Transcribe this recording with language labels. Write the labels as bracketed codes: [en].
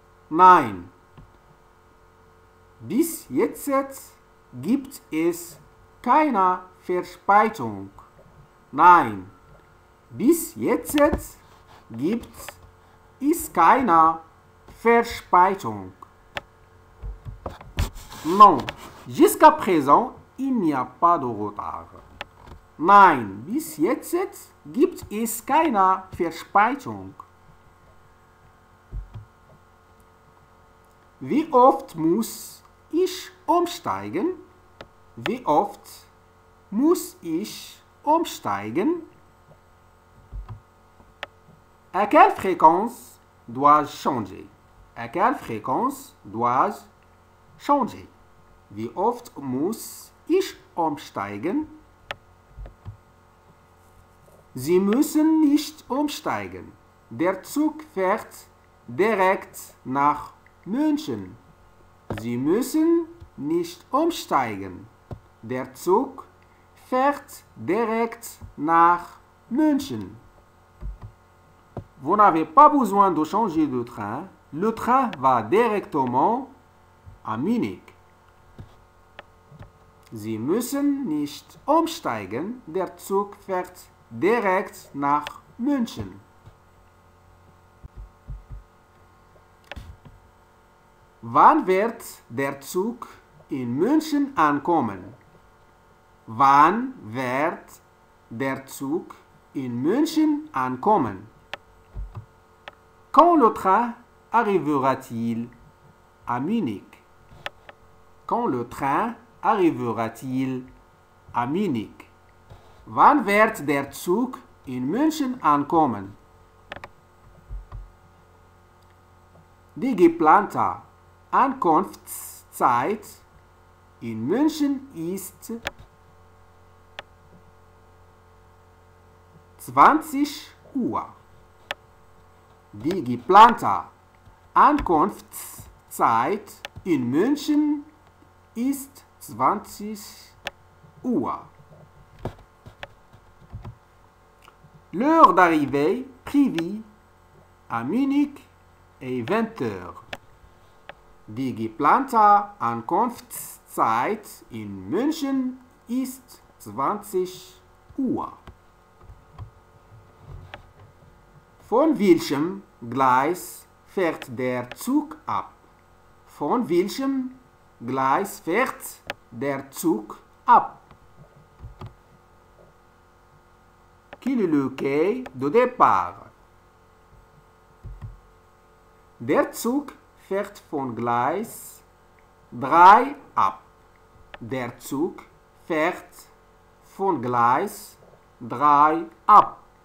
[de] Nein. Bis jetzt gibt es keine Verspeisung. Nein. Bis jetzt gibt es keine Verspeisung. [fr] Non. Jusqu'à présent, il n'y a pas de retard. [de] Nein, bis jetzt gibt es keine Verspeisung. Wie oft muss ich umsteigen? Wie oft muss ich umsteigen? [fr] À quelle fréquence dois-je changer? À quelle fréquence dois-je changer? [de] Wie oft muss ich umsteigen? Sie müssen nicht umsteigen. Der Zug fährt direkt nach München. Sie müssen nicht umsteigen. Der Zug fährt direkt nach München. [fr] Vous n'avez pas besoin de changer de train. Le train va directement à Munich. [de] Sie müssen nicht umsteigen. Der Zug fährt direkt nach München. Wann wird der Zug in München ankommen? Wann wird der Zug in München ankommen? [fr] Quand le train arrivera-t-il à Munich? Quand le train arrivera-t-il à Munich? [de] Wann wird der Zug in München ankommen? Die geplante Ankunftszeit in München ist 20 Uhr. Die geplante Ankunftszeit in München ist 20 Uhr. [fr] L'heure d'arrivée prévue à Munich est 20 heures. [de] Die geplante Ankunftszeit in München ist 20 Uhr. Von welchem Gleis fährt der Zug ab? Von welchem Gleis fährt der Zug ab? [fr] Quel est le quai de départ? [de] Der Zug fährt von Gleis 3 ab. Der Zug fährt von Gleis 3 ab.